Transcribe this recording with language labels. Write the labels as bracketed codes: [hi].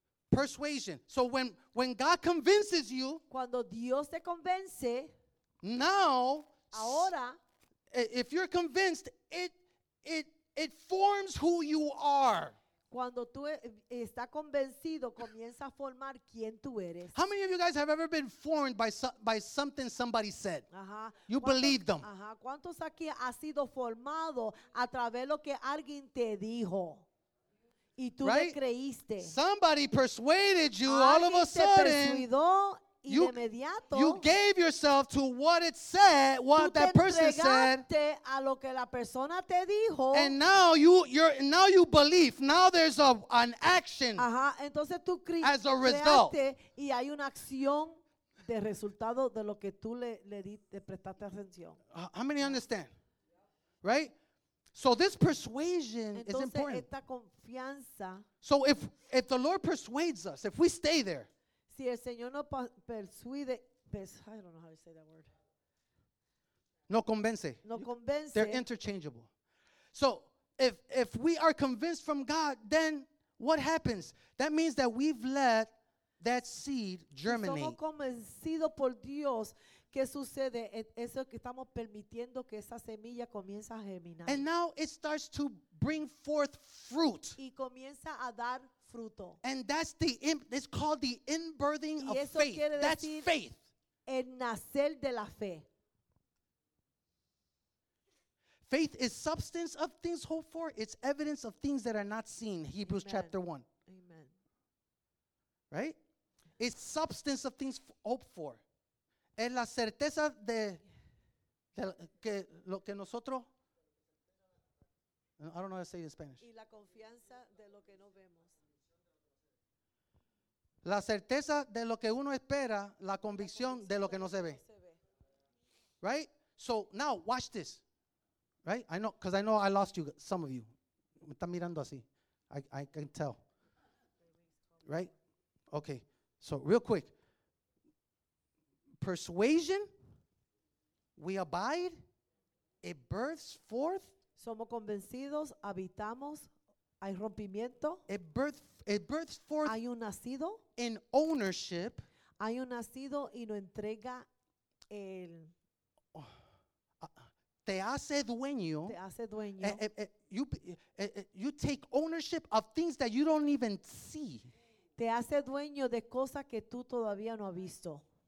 [en] Persuasion. So when God convinces you, [es] cuando Dios te convence, [en] now [es] Ahora, [en] if you're convinced, it forms who you are. [es] Cuando tú está convencido, comienza a formar quién tú eres. [en] How many of you guys have ever been formed by something somebody said? You believe them. [es] ¿Cuántos aquí ha sido formado a través de lo que alguien te dijo? Y tú [en] right? [es] le creíste. [en] Somebody persuaded you all of a sudden. You gave yourself to what it said, what that person said. [es] A lo que la persona te dijo, [en] and now you believe. Now there's an action. [es] Entonces, tú [en] as a result. [es] Y hay una acción de resultado de lo que tú le prestaste atención. [en] How many understand? Right? So this persuasion [es] entonces, [en] is important. [es] Esta confianza, [en] so if the Lord persuades us, if we stay there. [es] Si el Señor no persuade, [en] I don't know how to say that word. [es] No convence. No convence. [en] They're interchangeable. So if we are convinced from God, then what happens? That means that we've let that seed germinate. [es] Somos convencidos por Dios. ¿Qué sucede? Eso que estamos permitiendo que esa semilla comience a germinar. [en] And now it starts to bring forth fruit. [es] Y comienza a dar fruto. [en] And that's the it's called the inbirthing [es] y eso [en] of faith. [es] Quiere decir [en] that's faith. [es] El nacer de la fe. [en] Faith is substance of things hoped for. It's evidence of things that are not seen. Hebrews Amen. Chapter 1. Amen. Right? It's substance of things hoped for. [es] Es la certeza de que lo que nosotros. [en] I don't know how to say it in Spanish. [es] Y la confianza de lo que no vemos. La certeza de lo que uno espera, la convicción de lo que no se ve. [en] Right? So now watch this. Right? I know, because I know I lost you, some of you. [es] Me están mirando así. [en] I can tell. Right? Okay. So real quick. Persuasion, we abide, it births forth. [es] Somos convencidos, habitamos, hay rompimiento. [en] It births forth. [es] Hay un nacido. [en] In ownership. [es] Hay un nacido y nos entrega el. Te hace dueño. Te hace dueño. [en] You take ownership of things that you don't even see. [es] Te hace dueño de cosas que tú todavía no has visto.